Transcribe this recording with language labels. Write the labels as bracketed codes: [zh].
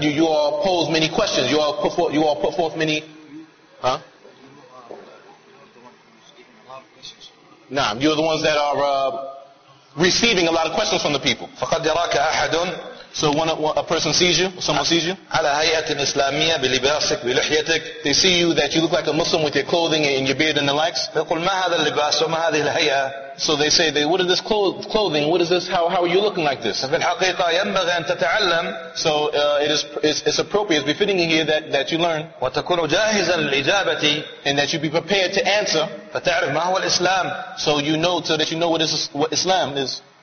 [en] You all pose many questions. You all put forth many. Huh? [ar] نعم. [en] You're the ones that are receiving a lot of questions from the people. [ar] فقد يراك أحد. [en] So when a person sees you, someone sees you, [ar] على هيئة إسلامية بلباسك بلحيتك, [en] they see you that you look like a Muslim with your clothing and your beard and the likes. [ar] يقول ما هذا اللباس وما هذه الهيئة. [en] So they say, what is this clothing? What is this? How are you looking like this? [ar] في الحقيقة ينبغي أن تتعلم. [en] So it's appropriate, it's befitting here that you learn. [ar] وتكون جاهزا للإجابة. [en] And that you be prepared to answer. [ar] فتعرف ما هو الإسلام. [en] So you know, so that you know what Islam is.